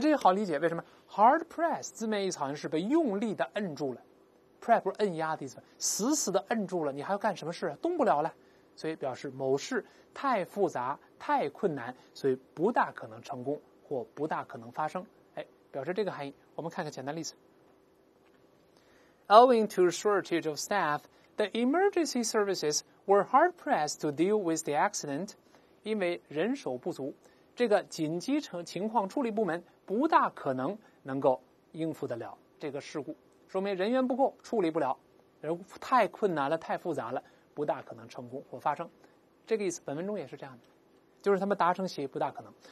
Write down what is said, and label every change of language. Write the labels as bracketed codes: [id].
[zh] 这个好理解，为什么 [en] hard pressed [zh] 字面意思好像是被用力的摁住了， press 不是摁压的意思，死死的摁住了，你还要干什么事，动不了了，所以表示某事太复杂太困难，所以不大可能成功或不大可能发生，表示这个含义。我们看看简单例子， [en] Owing to shortage of staff, the emergency services were hard-pressed to deal with the accident. [zh] 因为人手不足，这个紧急情况处理部门不大可能能够应付得了这个事故，说明人员不够，处理不了，人太困难了，太复杂了，不大可能成功或发生。这个意思本文中也是这样的，就是他们达成协议不大可能。